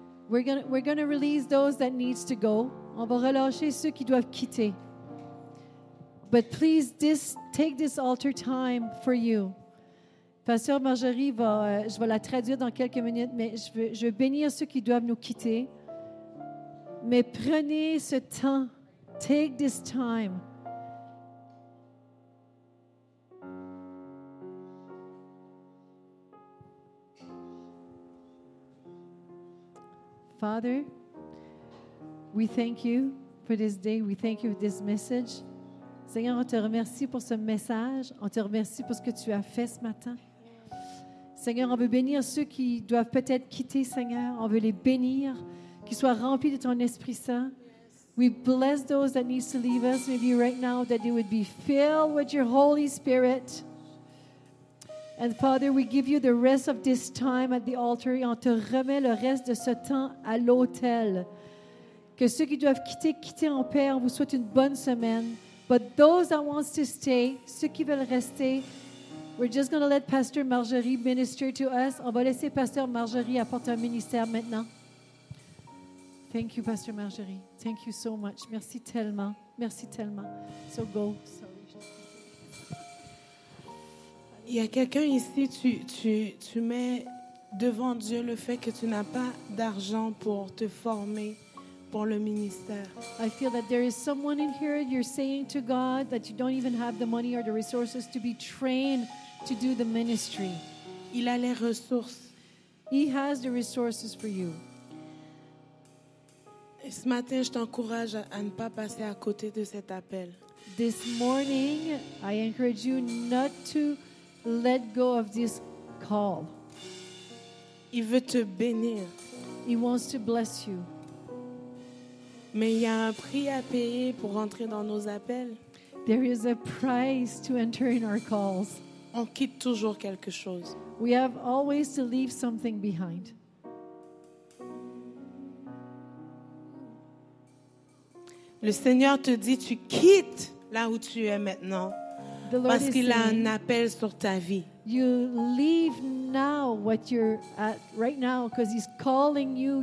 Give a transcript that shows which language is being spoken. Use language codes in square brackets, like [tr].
[en] We're going to release those that needs to go. [fr] On va relâcher ceux qui doivent quitter. [en] But please, take this altar time for you. [fr] Pasteur Marjorie va, je vais la traduire dans quelques minutes, mais je veux bénir ceux qui doivent nous quitter. Mais prenez ce temps. [en] Take this time. Father, we thank you for this day. We thank you for this message. [fr] Seigneur, on te remercie pour ce message. On te remercie pour ce que tu as fait ce matin. Seigneur, on veut bénir ceux qui doivent peut-être quitter, Seigneur. On veut les bénir. Qu'ils soient remplis de ton Esprit Saint. Yes. [en] We bless those that need to leave us, maybe right now, that they would be filled with your Holy Spirit. And Father, we give you the rest of this time at the altar. [fr] Et on te remet le reste de ce temps à l'autel. Que ceux qui doivent quitter, quitter en paix. On vous souhaite une bonne semaine. [en] But those that want to stay, [fr] ceux qui veulent rester, [en] we're just going to let Pastor Marjorie minister to us. [fr] On va laisser Pasteur Marjorie apporter un ministère maintenant. [en] Thank you, Pastor Marjorie. Thank you so much. [fr] Merci tellement. Merci tellement. [en] So go. [fr] Il y a quelqu'un ici, tu mets devant Dieu le fait que tu n'as pas d'argent pour te former. Pour le ministère. [en] I feel that there is someone in here you're saying to God that you don't even have the money or the resources to be trained to do the ministry. [fr] Il a les ressources. [en] He has the resources for you. [fr] Et ce matin, je t'encourage à ne pas passer à côté de cet appel. [en] This morning, I encourage you not to let go of this call. [fr] Il veut te bénir. [en] He wants to bless you. [fr] Mais il y a un prix à payer pour entrer dans nos appels. [en] There is a price to enter in our calls. [fr] On quitte toujours quelque chose. [en] We have always to leave something behind. [fr] Le Seigneur te dit, tu quittes là où tu es maintenant parce qu'il a un appel sur ta vie. [en] You leave now what you're at right now because he's calling you.